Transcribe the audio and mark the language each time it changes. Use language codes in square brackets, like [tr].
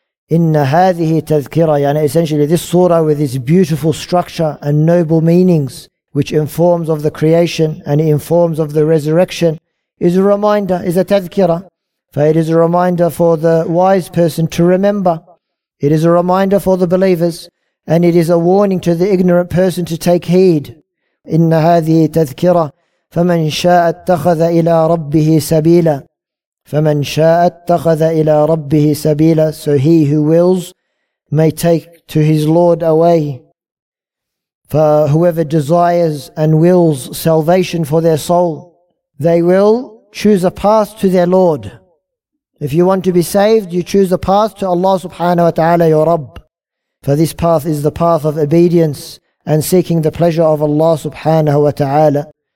[ar] إِنَّ هَذِهِ تَذْكِرًا, [en] yani essentially this surah with its beautiful structure and noble meanings, which informs of the creation and informs of the resurrection, is a reminder, is a tadhkira. For it is a reminder for the wise person to remember. It is a reminder for the believers. And it is a warning to the ignorant person to take heed. [ar] إن هذه تذكرة فمن شاء اتخذ إلى ربه سبيلا فمن شاء اتخذ إلى ربه سبيلا, [en] so he who wills may take to his Lord a way. For whoever desires and wills salvation for their soul, they will choose a path to their Lord. If you want to be saved, you choose a path to Allah subhanahu wa ta'ala, your Rabb. For this path is the path of obedience and seeking the pleasure of Allah subhanahu wa ta'ala.